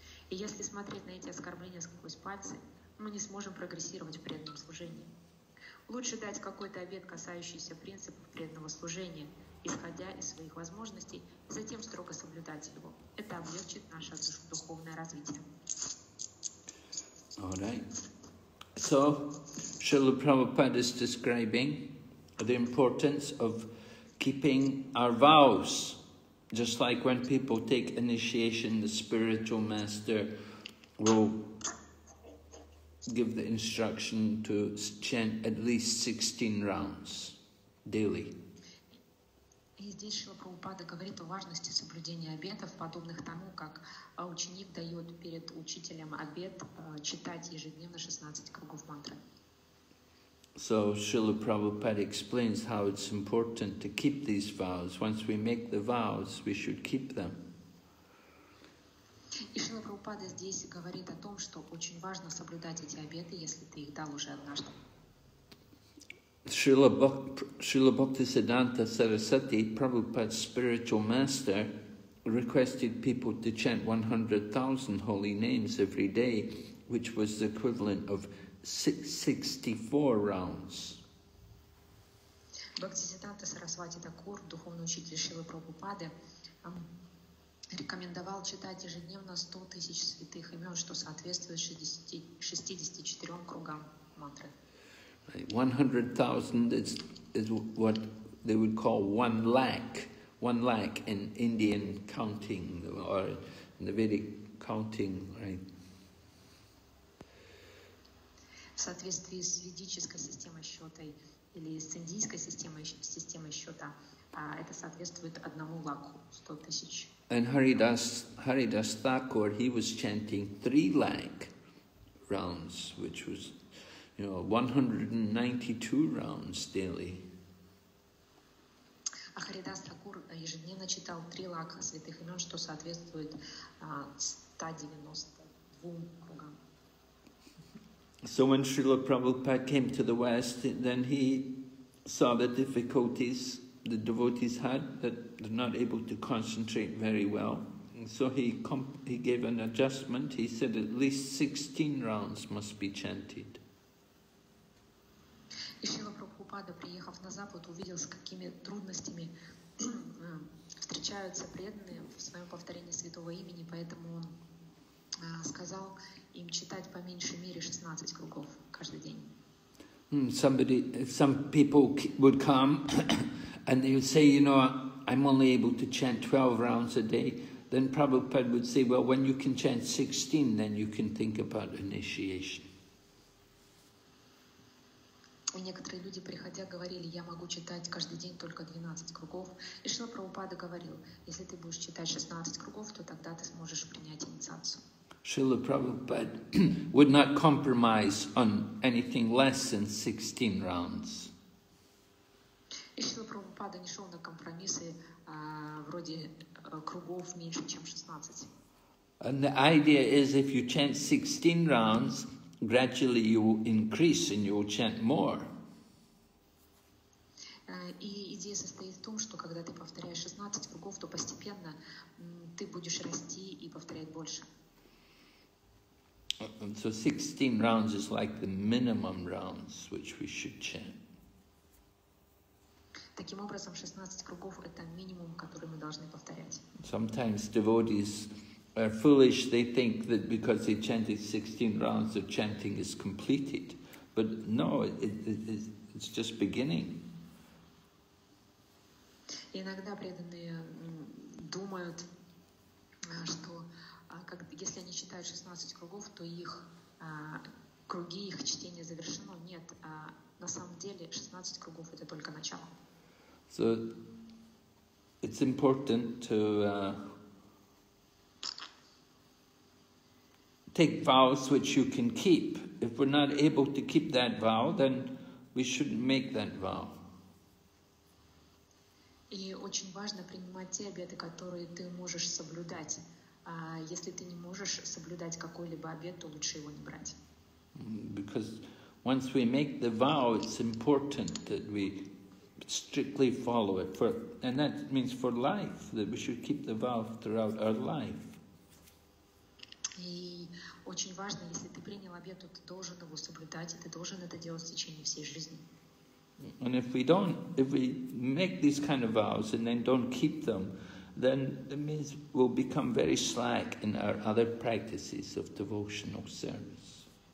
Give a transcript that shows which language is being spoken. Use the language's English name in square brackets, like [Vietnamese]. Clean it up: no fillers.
[Russian] И если смотреть на эти оскорбления сквозь пальцы, мы не сможем прогрессировать в преданном служении. Лучше дать какой-то обет, касающийся принципов преданного служения, исходя из своих возможностей, и затем строго соблюдать его. Это облегчит наше духовное развитие. [English] All right. So, Srila Prabhupada is describing the importance of keeping our vows, just like when people take initiation, the spiritual master will give the instruction to chant at least 16 rounds daily. [Russian] И здесь Шрила Прабхупада говорит о важности соблюдения обетов, подобных тому, как ученик дает перед учителем обет читать ежедневно 16 кругов мантры. [English] So Srila Prabhupada explains how it's important to keep these vows. Once we make the vows, we should keep them. [Russian] И Шрила Прабхупада здесь говорит о том, что очень важно соблюдать эти обеты, если ты их дал уже однажды. [English] Srila Bhaktisiddhanta Sarasvati, Prabhupada's spiritual master, requested people to chant 100,000 holy names every day, which was the equivalent of 64 rounds. [Russian] Бхактисиддханта Сарасвати Такур, духовный учитель Шрилы Прабхупады, рекомендовал читать ежедневно 100 тысяч святых имен, что соответствует 64 кругам мантры. [English] 100,000 is what they would call 1 lakh. 1 lakh in Indian counting or in the Vedic counting, right? [Russian] В соответствии с ведической системой счета или с индийской системой счета, это соответствует 1 лакху, 100 тысяч. [English] And Haridas Thakur, he was chanting 3 lakh rounds, which was, you know, 192 rounds daily. [Russian] А Харидас Такур ежедневно читал 3 лакха святых имен, что соответствует 192 кругам. [English] So when Srila Prabhupada came to the West, then he saw the difficulties the devotees had, that they're not able to concentrate very well. And so he gave an adjustment. He said at least 16 rounds must be chanted. [Russian] И Шрила Прабхупада, приехав на Запад, увидел, с какими трудностями встречаются преданные в своем повторении святого имени, поэтому он сказал им читать по меньшей мере 16 кругов каждый день. [English] Some people would come and they would say, you know, I'm only able to chant 12 rounds a day. Then Prabhupada would say, well, when you can chant 16, then you can think about initiation. [Russian] И некоторые люди, приходя, говорили, я могу читать каждый день только 12 кругов. И Шрила Прабхупада говорил, если ты будешь читать 16 кругов, то тогда ты сможешь принять инициацию. [English] Шрила Прабхупада would not compromise on anything less than 16 rounds. [Russian] И Шрила Прабхупада не шел на компромиссы вроде кругов меньше, чем 16. [English] And the idea is, if you chant 16 rounds, gradually you will increase and you will chant more. [Russian] И идея состоит в том, что когда ты повторяешь 16 кругов, то постепенно ты будешь расти и повторять больше. [English] And so 16 rounds is like the minimum rounds which we should chant. [Russian] Таким образом, 16 кругов — это минимум, который мы должны повторять. [English] Sometimes devotees are foolish, they think that because they chanted 16 rounds, the chanting is completed. But no, it's just beginning. [Russian] Иногда преданные думают, что если они читают 16 кругов, то их круги, их чтение завершено. Нет, на самом деле 16 кругов — это только начало. [English] So it's important to take vows which you can keep. If we're not able to keep that vow, then we shouldn't make that vow. [Russian] И очень важно принимать те обеты, которые ты можешь соблюдать. Если ты не можешь соблюдать какой-либо обет, то лучше его не брать. [English] Because once we make the vow, it's important that we strictly follow it. And that means for life, that we should keep the vow throughout our life. [Russian] И очень важно, если ты принял обет, то ты должен его соблюдать, и ты должен это делать в течение всей жизни. [English] And if we don't, if we make these kind of vows and then don't keep them, then it means we'll become very slack in our other practices of devotional service.